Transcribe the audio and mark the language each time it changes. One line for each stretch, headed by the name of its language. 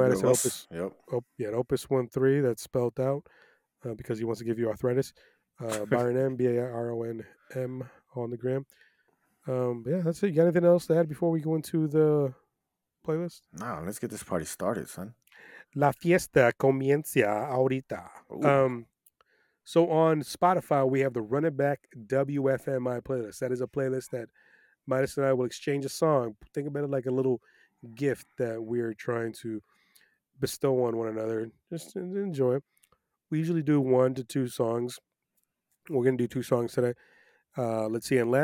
English: us. Opus. Yep. At Opus13. That's spelled out because he wants to give you arthritis. Byron M. BARONM on the gram. That's it. You got anything else to add before we go into the playlist? No, let's get this party started, son.
Spanish: La fiesta comienza ahorita.
English: So on Spotify, we have the Run It Back WFMI playlist. That is a playlist that Midas and I will exchange a song. Think about it like a little gift that we are trying to bestow on one another. Just enjoy it. We usually do 1 to 2 songs. We're going to do 2 songs today. Let's see.